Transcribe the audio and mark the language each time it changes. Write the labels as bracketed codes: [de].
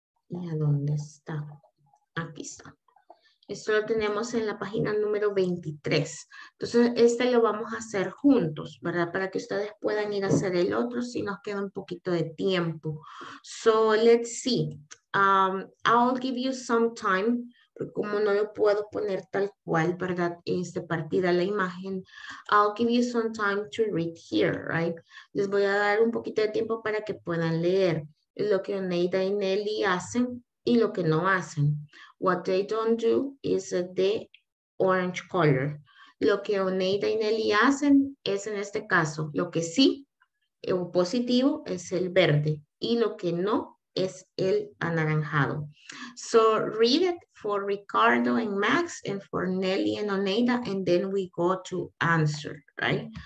[es] ¿Y a dónde está? Aquí está. Esto lo tenemos en la página número 23. Entonces, este lo vamos a hacer juntos, ¿verdad? Para que ustedes puedan ir a hacer el otro si nos queda un poquito de tiempo. [en] So, let's see. I'll give you some time. [es] Como no lo puedo poner tal cual, ¿verdad? Este partida la imagen. [en] I'll give you some time to read here, right? [es] Les voy a dar un poquito de tiempo para que puedan leer lo que Oneida y Nelly hacen y lo que no hacen. [en] What they don't do is the orange color. [es] Lo que Oneida y Nelly hacen es, en este caso, lo que sí, el positivo, es el verde. Y lo que no, es el anaranjado. [en] So read it for Ricardo and Max and for Nelly and Oneida, and then we go to answer, right?